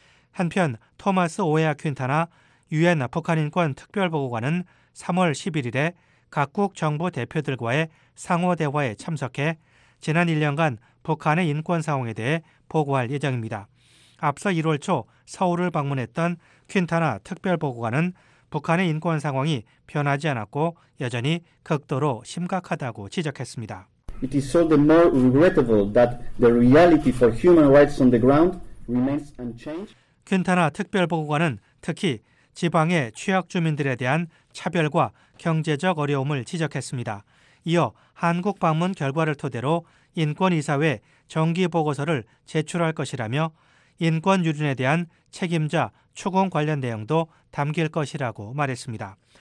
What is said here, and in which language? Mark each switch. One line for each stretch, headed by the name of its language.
Korean: 한편 토마스 오에아 퀸타나 유엔 북한인권특별보고관은 3월 11일에 각국 정부 대표들과의 상호대화에 참석해 지난 1년간 북한의 인권 상황에 대해 보고할 예정입니다. 앞서 1월 초 서울을 방문했던 퀸타나 특별보고관은 북한의 인권 상황이 변하지 않았고 여전히 극도로 심각하다고 지적했습니다.
English: It is so the more regrettable that the reality for human rights on the ground remains unchanged.
Korean: 퀸타나 특별보고관은 특히 지방의 취약 주민들에 대한 차별과 경제적 어려움을 지적했습니다. 이어 한국 방문 결과를 토대로 인권이사회 정기 보고서를 제출할 것이라며 인권 유린에 대한 책임자 추궁 관련 내용도 담길 것이라고 말했습니다.